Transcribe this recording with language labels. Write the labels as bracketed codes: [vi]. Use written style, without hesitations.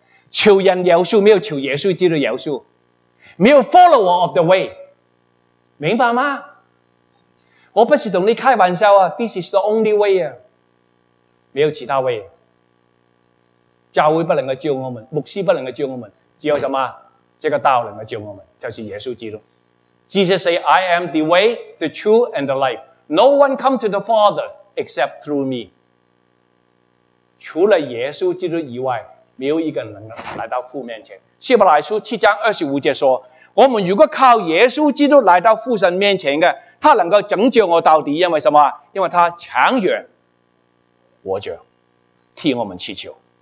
[zh] 求人饶恕，没有求耶稣基督饶恕，没有 [en] follower of the way， [zh] 明白吗？我不是同你开玩笑啊， [en] this is the only way [zh] 啊，没有其他 way。教会不能够救我们，牧师不能够救我们，只有什么？这个道能够救我们，就是耶稣基督。 [en] Jesus said, I am the way, the truth, and the life. No one come to the Father except through me. [zh] 除了耶稣基督以外，没有一个人来到父面前。希伯来书七章二十五节说，我们如果靠耶稣基督来到父神面前的，他能够拯救我到底，因为什么？因为他长远活着替我们祈求。